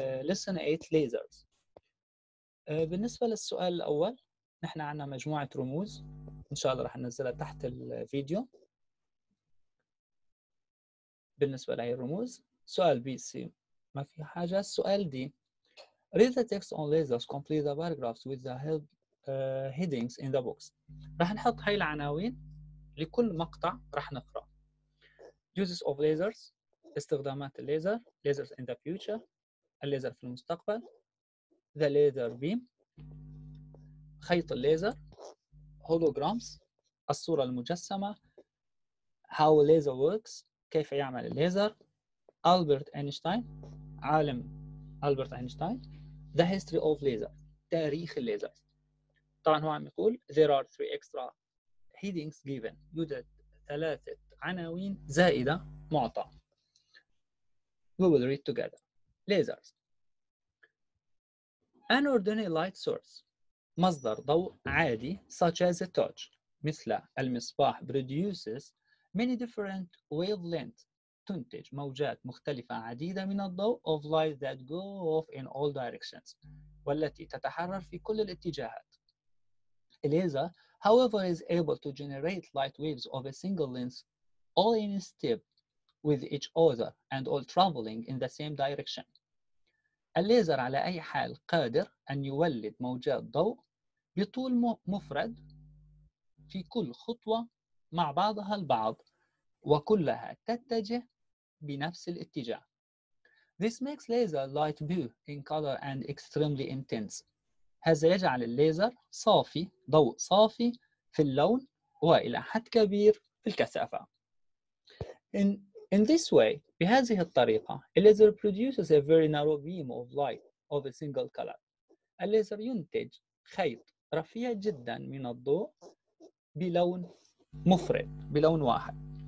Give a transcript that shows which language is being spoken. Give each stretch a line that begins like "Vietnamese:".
English: Lesson 8 Lasers.
Arabic: بالنسبة للسؤال الأول، نحن عنا مجموعة رموز إن شاء الله راح ننزلها تحت الفيديو. بالنسبة لهي الرموز، سؤال بي سي ما في حاجة. السؤال دي،
English: Read the text on lasers. Complete the paragraphs with the help headings in the box.
Arabic: راح نحط هاي العناوين لكل مقطع راح نقرأ.
English: Uses of lasers.
Arabic: استخدامات الليزر.
English: Lasers in the future.
Arabic: الليزر في المستقبل.
English: The laser beam.
Arabic: خيط الليزر.
English: Holograms.
Arabic: الصورة المجسمة.
English: How laser works.
Arabic: كيف يعمل الليزر. Albert Einstein. عالم Albert Einstein.
English: The history of laser.
Arabic: تاريخ الليزر. طبعا هو عم يقول
English: there are three extra headings given.
Arabic: يوجد ثلاثة عناوين زائدة معطى.
English: We will read together. Lasers. An ordinary light source.
Arabic: مصدر ضوء عادي
English: such as a torch.
Arabic: مثل المصباح
English: produces many different wavelengths.
Arabic: تنتج موجات مختلفة عديدة من الضوء
English: of light that go off in all directions
Arabic: والتي تتحرر في كل الاتجاهات.
English: A laser, however, is able to generate light waves of a single length all in step with each other and all traveling in the same direction.
Arabic: الليزر على أي حال قادر أن يولد موجات ضوء بطول مفرد في كل خطوة مع بعضها البعض وكلها تتجه بنفس الاتجاه.
English: This makes laser light blue in color and extremely intense.
Arabic: هذا يجعل الليزر صافي، ضوء صافي في اللون وإلى حد كبير في الكثافة.
English: In this way,
Arabic: بهذه الطريقة,
English: a laser produces a very narrow beam of light of a single color.
Arabic: الليزر ينتج خيط رفيع جدا من الضوء بلون مفرد، بلون واحد.